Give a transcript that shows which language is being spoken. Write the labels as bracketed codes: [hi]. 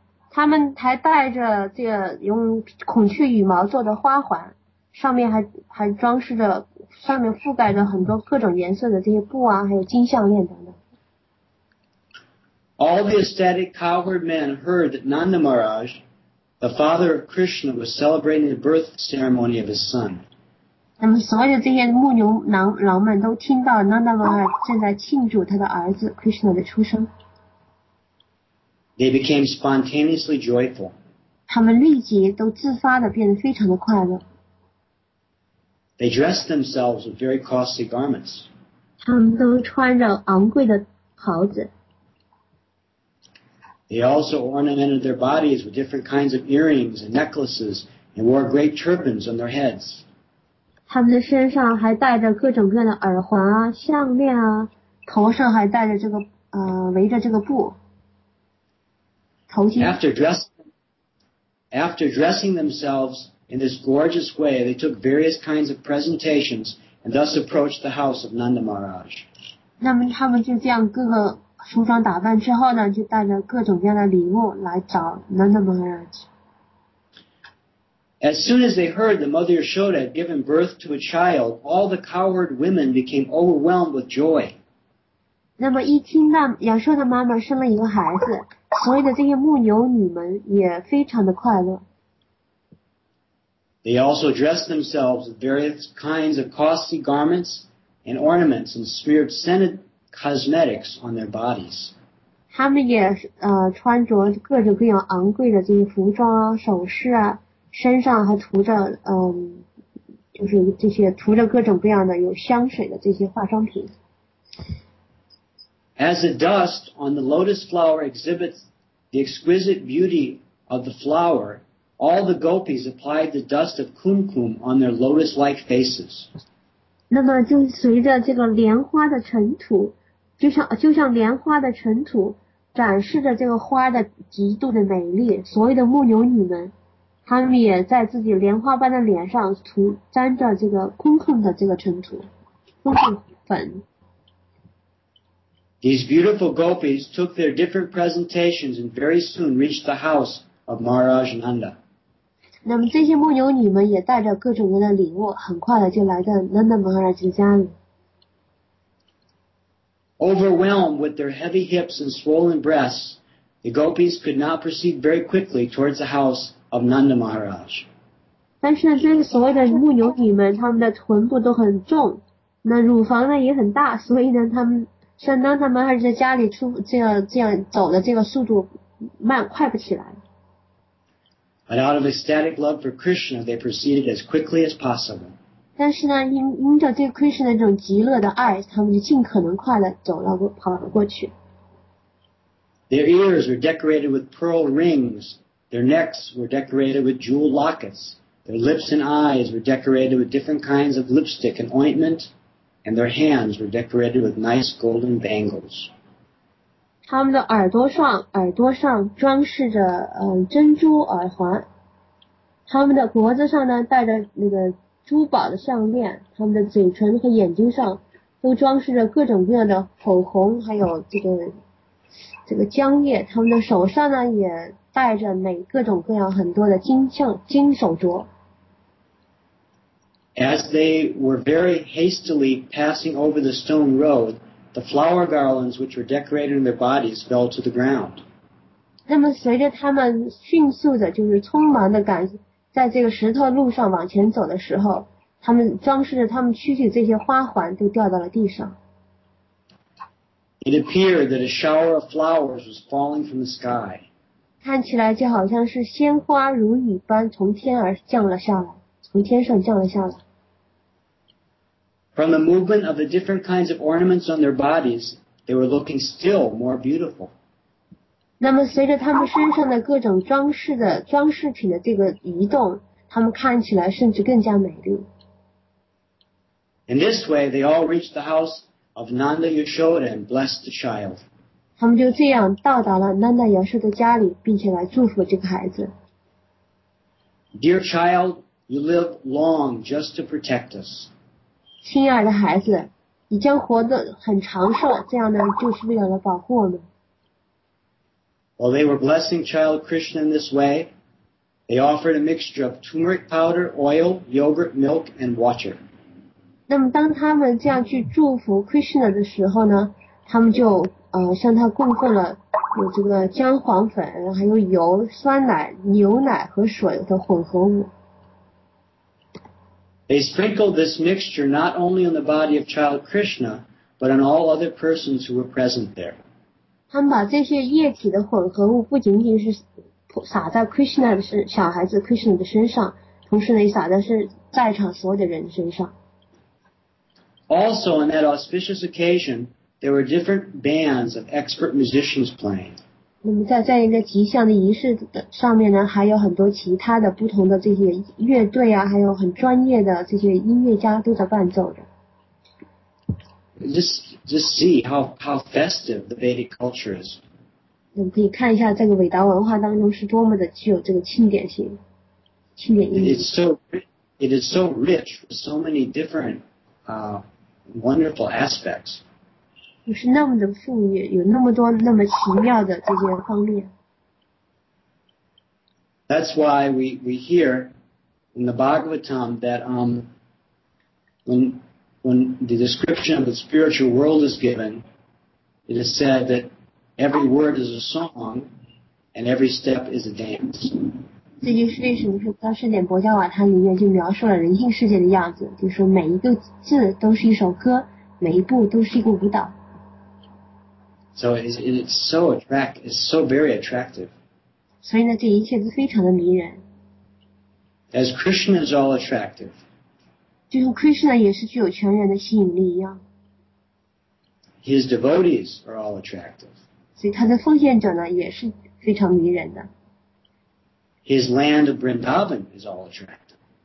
[zh] 他们还戴着这个用孔雀羽毛做的花环，上面还装饰着，上面覆盖着很多各种颜色的这些布啊，还有金项链等等。 [en] All the ecstatic cowherd men heard that Nanda Maharaj, the father of Krishna, was celebrating the birth ceremony of his son. [zh] 那么所有的这些牧牛郎们都听到 Nanda Maharaj 正在庆祝他的儿子 Krishna 的出生。 [en] They became spontaneously joyful. [zh] 他们立即都自发的变得非常的快乐。 [en] They dressed themselves with very costly garments. [zh] 他们都穿着昂贵的袍子。 [en] They also ornamented their bodies with different kinds of earrings and necklaces and wore great turbans on their heads. [zh] 他们的身上还戴着各种各样的耳环啊、项链啊，头上还戴着这个围着这个布头巾。 [en] After dressing themselves in this gorgeous way, they took various kinds of presentations and thus approached the house of Nanda Maharaj. [zh] 那么他们就这样各个梳妆打扮之后呢，就带着各种各样的礼物来找 Nanda Maharaj. [en] As soon as they heard the mother Yashoda had given birth to a child, all the cowherd women became overwhelmed with joy. [zh] 那么一听到亚瑟的妈妈生了一个孩子，所有的这些牧牛女们也非常的快乐。 [en] They also dressed themselves with various kinds of costly garments and ornaments and smeared scented cosmetics on their bodies. [zh] 他们也穿着各种各样昂贵的这些服装啊、首饰啊。身上还涂着就是这些涂着各种各样的有香水的这些化妆品。 [en] As a dust on the lotus flower exhibits the exquisite beauty of the flower, all the gopis applied the dust of kumkum on their lotus-like faces. [zh] 那么就随着这个莲花的尘土，就像莲花的尘土展示着这个花的极度的美丽，所有的牧牛女们她们也在自己莲花般的脸上涂沾着这个kumkum的这个尘土kumkum粉。 [en] These beautiful gopis took their different presentations and very soon reached the house of Maharaj Nanda. [zh] 那么这些牧牛女们也带着各种各样的礼物，很快的就来到 Nanda Maharaj 的家里。 [en] Overwhelmed with their heavy hips and swollen breasts, the gopis could not proceed very quickly towards the house of Nanda Maharaj. [zh] 但是这个所谓的牧牛女们，她们的臀部都很重，那乳房呢也很大，所以呢她们。像当他们还是在家里出这样走的这个速度慢快不起来。 [en] But out of ecstatic love for Krishna, they proceeded as quickly as possible. [zh] 但是呢，因着对 Krishna 的这种极乐的爱，他们就尽可能快的走了跑了过去。 [en] Their ears were decorated with pearl rings. Their necks were decorated with jewel lockets. Their lips and eyes were decorated with different kinds of lipstick and ointment. And their hands were decorated with nice golden bangles. [zh] 他们的耳朵上装饰着珍珠耳环。他们的脖子上呢戴着那个珠宝的项链。他们的嘴唇和眼睛上都装饰着各种各样的口红，还有这个浆液。他们的手上呢也戴着每各种各样很多的金手镯。 [en] As they were very hastily passing over the stone road, the flower garlands which were decorated in their bodies fell to the ground. [zh] 那么随着他们迅速的就是匆忙的赶在这个石头路上往前走的时候，他们装饰着他们躯体这些花环都掉到了地上。 [en] It appeared that a shower of flowers was falling from the sky. [zh] 看起来就好像是鲜花如雨般从天而降了下来。从天上降了下来。 [en] From the movement of the different kinds of ornaments on their bodies, they were looking still more beautiful. [zh] 那么随着他们身上的各种装饰品的这个移动，他们看起来甚至更加美丽。 [en] In this way, they all reached the house of Nanda Yashoda and blessed the child. [zh] 他们就这样到达了 Nanda Yashoda 的家里，并且来祝福这个孩子。 [en] Dear child,You live long just to protect us. [zh] 亲爱的孩子，你将活得很长寿，这样呢，就是为了保护我们。 [en] While they were blessing child Krishna in this way, they offered a mixture of turmeric powder, oil, yogurt, milk, and water. [zh] 那么当他们这样去祝福 Krishna 的时候呢，他们就向他供奉了有这个姜黄粉，还有油、酸奶、牛奶和水的混合物。 [en] They sprinkled this mixture not only on the body of child Krishna, but on all other persons who were present there. [zh] 他们把这些液体的混合物不仅仅是撒在 Krishna 的身，小孩子 Krishna 的身上，同时呢也撒的是在场所有的人身上。 [en] Also, on that auspicious occasion, there were different bands of expert musicians playing. [zh] 那么在这样一个吉祥的仪式的上面呢，还有很多其他的不同的这些乐队啊，还有很专业的这些音乐家都在伴奏着。 [en] Just see how festive the Vedic culture is. [zh] 我们可以看一下这个韦达文化当中是多么的具有这个庆典性、庆典意义。 [en] It is so rich with so many different wonderful aspects. [zh] 就是那么的富裕，有那么多那么奇妙的这些方面。 [en] That's why we hear in the Bhagavatam that when the description of the spiritual world is given, it is said that every word is a song and every step is a dance. [zh] 这就是为什么说当时《莲波加瓦塔》里面就描述了人性世界的样子，就是说每一个字都是一首歌，每一步都是一个舞蹈。 [en] So it's so attractive. It's so very attractive. [zh] 所以呢，这一切都非常的迷人。 [en] As Krishna is all attractive. [zh] 就像 Krishna 也是具有全人的吸引力一样。 [en] His devotees are all attractive. [zh] 所以他的奉献者呢也是非常迷人的。 [en] His land of Vrindavan is all attractive.